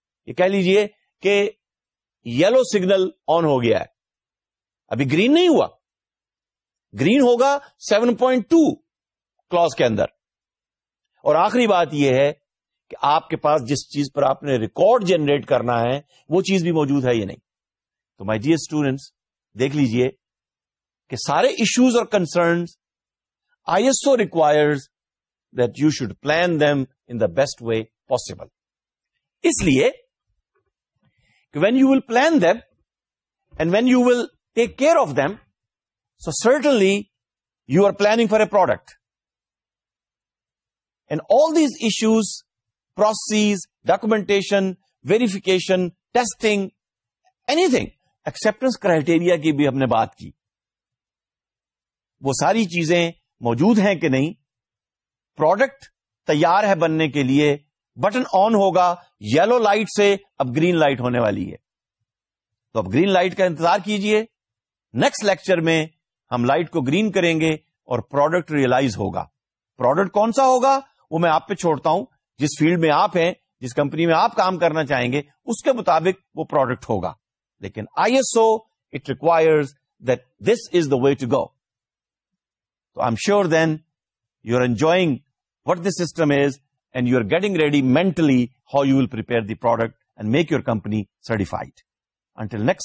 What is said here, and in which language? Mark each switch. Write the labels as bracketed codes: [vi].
[ur] یہ کہہ لیجئے کہ یلو سگنل آن ہو گیا ہے, ابھی گرین نہیں ہوا. گرین ہوگا 7.2 کلاس کے اندر. اور آخری بات یہ ہے کہ آپ کے پاس جس چیز پر آپ نے ریکارڈ جنریٹ کرنا ہے وہ چیز بھی موجود ہے یا نہیں. [en] تو my dear students, [ur] دیکھ لیجئے کہ سارے ایشوز اور concerns [en] ISO requires that you should plan them in the best way possible. [ur] اس لیے کہ [en] when you will plan them and when you will take care of them, so certainly you are planning for a product. And all these issues, processes, documentation, verification, testing, anything, acceptance criteria [ur] کی بھی ہم نے بات کی, وہ ساری چیزیں موجود ہیں کہ نہیں. پروڈکٹ تیار ہے بننے کے لیے, بٹن آن ہوگا یلو لائٹ سے, اب گرین لائٹ ہونے والی ہے. تو اب گرین لائٹ کا انتظار کیجئے. نیکسٹ لیکچر میں ہم لائٹ کو گرین کریں گے اور پروڈکٹ ریئلائز ہوگا. پروڈکٹ کون سا ہوگا وہ میں آپ پہ چھوڑتا ہوں. جس فیلڈ میں آپ ہیں, جس کمپنی میں آپ کام کرنا چاہیں گے, اس کے مطابق وہ پروڈکٹ ہوگا. [en] لیکن ISO it requires that this is the way to go. So I'm sure then you're enjoying what the system is and you're getting ready mentally how you will prepare the product and make your company certified. Until next